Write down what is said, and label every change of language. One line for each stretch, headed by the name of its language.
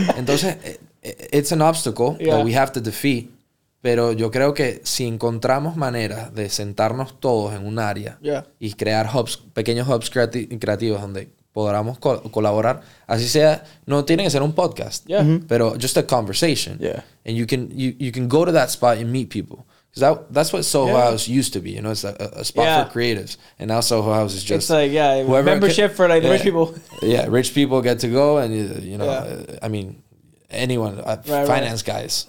English: Entonces, it's an obstacle that we have to defeat.
Spanish: Pero yo creo que si encontramos maneras de sentarnos todos en un área y crear hubs, pequeños hubs creativos donde podamos colaborar, así sea, no tiene que ser un podcast, pero
English: just a conversation. Yeah. And you can go to that spot and meet people. That's what Soho House used to be. You know, it's a spot for creatives. And now Soho House is just... It's like, membership for like the rich people. Yeah, rich people get to go and, you know, I mean... Anyone, finance guys.